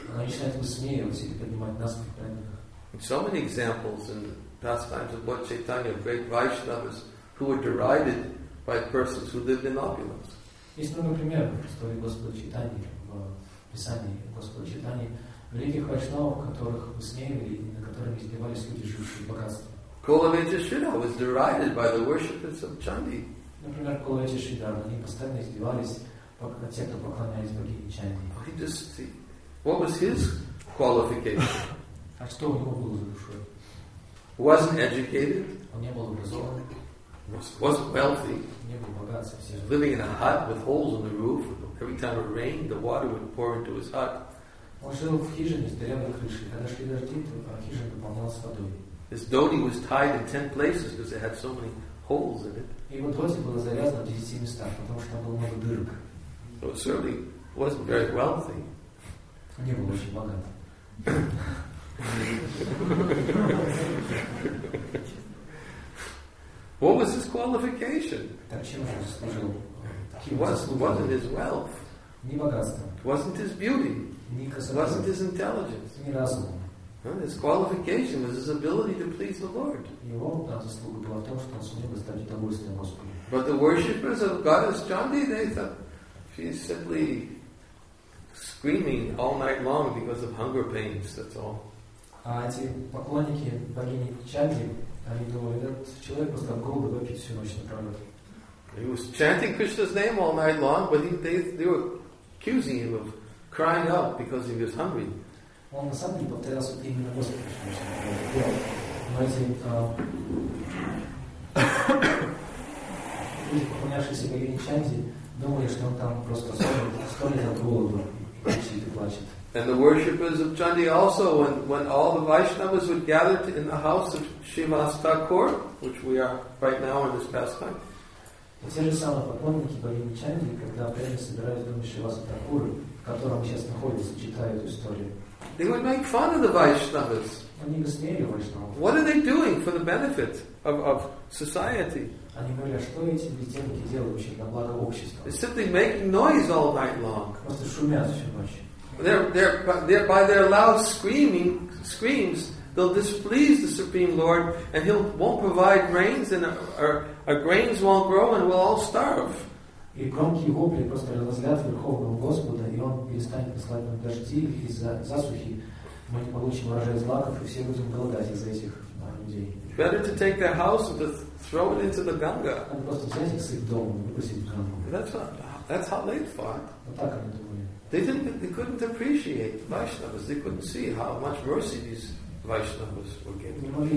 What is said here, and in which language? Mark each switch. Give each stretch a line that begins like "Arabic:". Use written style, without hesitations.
Russian: Она начинает высмеивать или поднимать нас как преданных.
English: So many examples in the pastimes of Lord Chaitanya, great Vaishnavas who were derided by persons who lived in opulence.
Russian: Есть много примеров в истории Господа Чайтаньи, в Писании Господа Чайтаньи, великих вайшнавов, которых высмеивали и на которыми издевались люди, жившие в богатстве.
English: Kulavecha Sridhar was derided by the worshippers of Chandi.
Russian: Например, Kulavecha Sridhar, они постоянно издевались на тех, кто поклонялись богине Чанди.
English: What was his qualification?
Russian: А что у него было за душой?
English: Wasn't educated.
Russian: Он не был образован.
English: Was wealthy.
Russian: Не был богат совсем.
English: Living in a hut with holes in the roof. Every time it rained, the water would pour into his hut.
Russian: Он жил в хижине с деревянной крышей. Когда шли дожди, то хижина наполнялась водой.
English: His dhoti was tied in 10 places because it had so many holes in it.
Russian: Его дхоти была завязана в 10 местах, потому что там было много дырок.
English: So it certainly wasn't very wealthy.
Russian: Не был очень богат.
English: What was his qualification? Wasn't his wealth.
Russian: Не богатство.
English: Wasn't his beauty.
Russian: Не красота.
English: Wasn't his intelligence.
Russian: Не разум.
English: His qualification was his ability to please the Lord.
Russian: Его заслуга была в том, что он сумел доставить удовольствие Господу.
English: But the worshippers of goddess Chandi, they thought he's simply screaming all night long because of hunger pains. That's all.
Russian: А эти поклонники богини Чанди, они думали, этот человек просто голод вопит всю ночь напролет.
English: He was chanting Krishna's name all night long, but they were accusing him of crying out because he was hungry.
Russian: Он на самом деле повторял свое имя на Господе, что он делал. Но эти люди, поклонявшиеся богине Чанди, думали, что он там просто стонет от голода и кричит и плачет.
English: And the worshippers of Chandi also, when all the Vaishnavas would gather in the house of Srivas Thakur, which we are right now in this pastime.
Russian: Те же самые поклонники богини Чанди, когда они собирались в доме Шривас Такур, в котором сейчас находится, читая эту историю.
English: They would make fun of the Vaishnavas.
Russian: Они высмеивали Вайшнавов.
English: What are they doing for the benefit of society?
Russian: Они говорили, что эти бездельники делают вообще на благо общества?
English: They're simply making noise all night long.
Russian: Просто шумят всю ночь.
English: They're by their loud screams, they'll displease the Supreme Lord, and He won't provide rains, and our grains won't grow, and we'll all starve.
Russian: И громкие вопли просто разозлят Верховного Господа, и Он перестанет посылать нам дожди из-за засухи. Мы не получим урожай злаков, и все будем голодать из-за этих людей.
English: Better to take their house and to throw it into the Ganga.
Russian: Надо просто взять их с их дома и выпустить в Гангу.
English: That's how they thought.
Russian: Вот так они думали.
English: They couldn't appreciate Vaishnavas. They couldn't see how much mercy these Vaishnavas were getting.